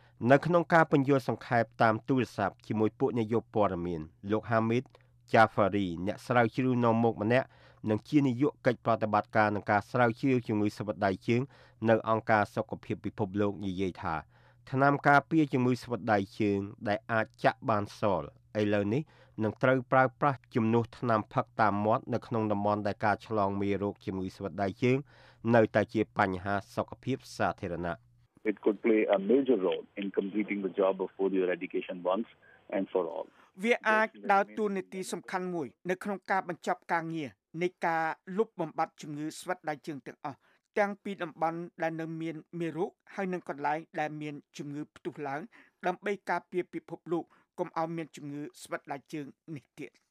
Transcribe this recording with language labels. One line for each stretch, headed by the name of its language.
Khmer: នៅក្នុងការពន្យល់សង្ខេបតាមទូរស័ព្ទជាមួយពួកនាយកព័ត៌មានលោកហាមីតចាហ្វារីអ្នកស្រាវជ្រាវនាំមុខម្នាក់នឹងជានាយកកិច្ចប្រតិបត្តិការនឹងការស្រាវជ្រាវជំងឺស្វិតដៃជើងនៅអង្គការសុខភាពពិភពលោកនិយាយថាថ្នាំការពារជំងឺស្វិតដៃជើងដែលអាចចាក់បានសល់ឥឡូវនេះនឹងត្រូវប្រើប្រាស់ជំនួសថ្នាំផឹកតាមមាត់នៅក្នុងតំបន់ដែលការឆ្លងមេរោគជំងឺស្វិតដៃជើងនៅតែជាបញ្ហាសុខភាពសាធារណៈ
English: It could play a major role in completing the job of polio eradication once and for all
Khmer: វាអាចដើរតួនាទីសំខាន់មួយនៅក្នុងការបញ្ចប់ការងារនៃការលុបបំបាត់ជំងឺស្វិតដៃជើងទាំងអស់ទាំងពីតំបន់ដែលនៅមានមេរោគហើយនិងកន្លែងដែលមានជំងឺផ្ទុះឡើងដើម្បីការពារពិភពលោកកុំឲ្យមានជំងឺស្វិតដៃជើងនេះទៀត